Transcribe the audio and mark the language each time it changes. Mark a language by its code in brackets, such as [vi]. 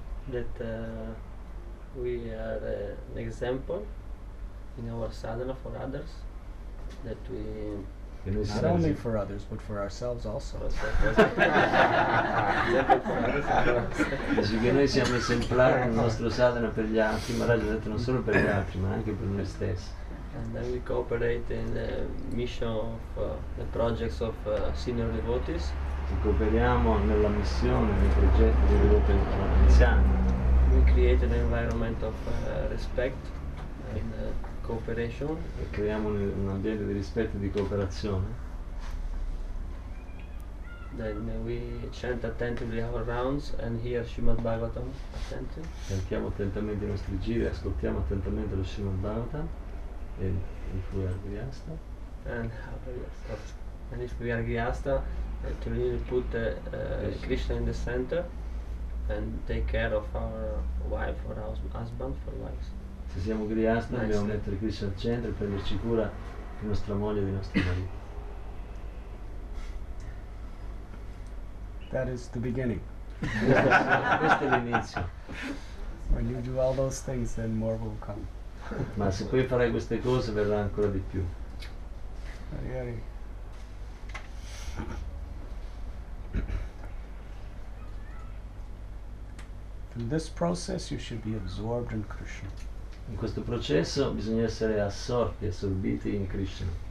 [en] That we are an example in our sadhana for others. That we not only for others but for ourselves also. [it] Dice che noi siamo esemplari nel nostro sadhana per gli altri, ma l'ha detto non solo per gli altri ma anche per noi stessi. [en] And then we cooperate in the mission of the projects of senior devotees. [it] E cooperiamo nella missione, nei progetti dei devoti anziani. [en] We create an environment of respect and cooperation. [it] E creiamo un ambiente di rispetto e di cooperazione. [en] Then we chant attentively our rounds and hear Srimad Bhagavatam attentively. [it] Cantiamo attentamente i nostri giri, ascoltiamo attentamente lo Srimad Bhagavatam. [en] And if we are Grihastha, to really put Krishna in the center and take care of our wife or our husband for wives. [it] Se siamo Grihastha, nice, dobbiamo mettere Krishna al centro e prenderci cura di nostra moglie e di nostro marito. [en] That is the beginning. [it] Questo è l'inizio. [en] When you do all those things, then more will come. [it] Ma se poi farai queste cose verrà ancora di più. Hari Hari. [en] In this process you should be absorbed in Krishna. [it] In questo processo bisogna essere assorti, assorbiti in Krishna.